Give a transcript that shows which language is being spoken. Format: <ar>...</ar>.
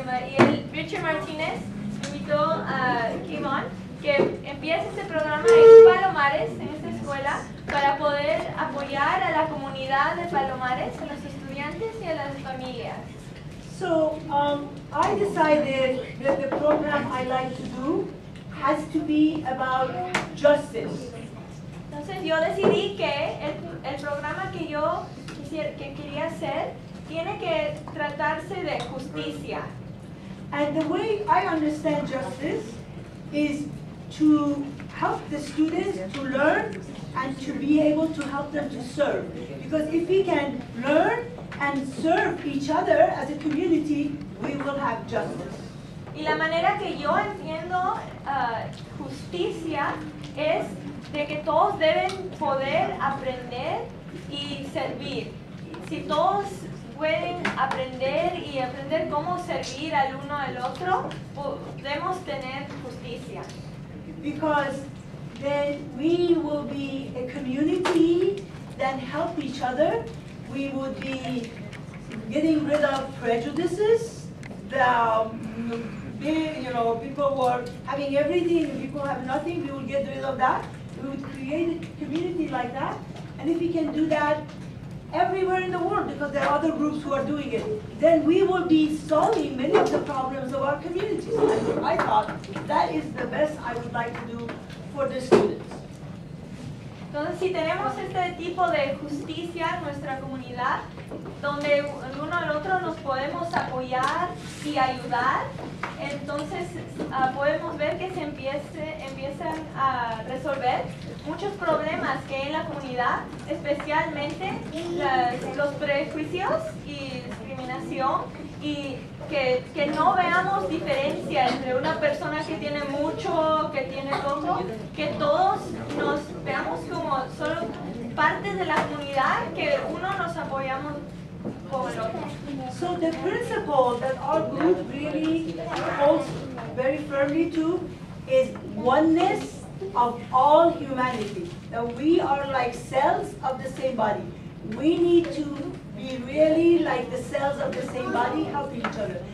<es>y el Richard Martinez invitó a Kevan que empiece este programa en Palomares, en esta escuela, para poder apoyar a la comunidad de Palomares, a los estudiantes y a las familias.</es> <en>So I decided that the program I like to do has to be about justice.</en> <es>Entonces yo decidí que el programa que yo quería hacer tiene que tratarse de justicia.</es> <en>And the way I understand justice is to help the students to learn and to be able to help them to serve. Because if we can learn and serve each other as a community, we will have justice.</en> <es>Y la manera que yo entiendo justicia es de que todos deben poder aprender y servir. Si todos pueden aprender y aprender cómo servir al uno al otro, podemos tener justicia.</es> <en>Because then we will be a community that help each other. We would be getting rid of prejudices, people who are having everything, people have nothing, we will get rid of that. We would create a community like that. And if we can do that everywhere in the world, because there are other groups who are doing it, then we will be solving many of the problems of our communities. And I thought that is the best I would like to do for the students.</en> <es>Entonces, si tenemos este tipo de justicia en nuestra comunidad, donde uno al otro nos podemos apoyar y ayudar, entonces podemos ver que se empiezan a resolver muchos problemas que hay en la comunidad, especialmente los prejuicios y discriminación, y que no veamos diferencia entre una persona que tiene mucho, que tiene poco, que todos nos veamos como solo parte de la comunidad, que uno nos apoyamos con el otro.</es> <en>So the principle that our group really holds very firmly to is oneness of all humanity, that we are like cells of the same body. We need to be really like the cells of the same body, helping each other.</en>